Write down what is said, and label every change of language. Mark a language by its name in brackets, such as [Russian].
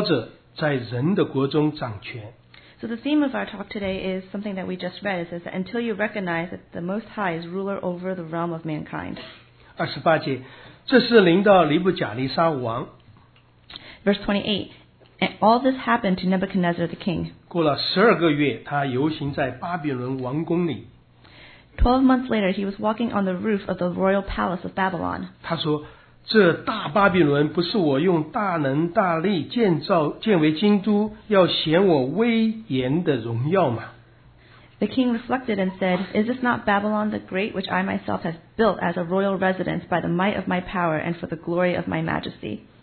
[Chinese] 我们今天讲，我们今天这个信息的题目就是刚才所念的其中的一句话：“等你知道至高者在人的国中掌权。”So [English] the theme of our talk today is something that we just read. It says that until you recognize that the Most High is ruler over the realm of mankind. [Chinese] 28节，这是临到尼布甲尼撒王。 [English] Verse 28, all this happened to Nebuchadnezzar the king. [Chinese] 过了12个月，他游行在巴比伦王宫里。 [English] 12 months later, he was walking on the roof of the royal palace of Babylon. [Chinese] 他说，这大巴比伦不是我用大能大力建造建为京都，要显我威严的荣耀吗？ [English] The king reflected and said, "Is this not Babylon the Great, which I myself have built as a royal residence by the might of my power and for the glory of my majesty?"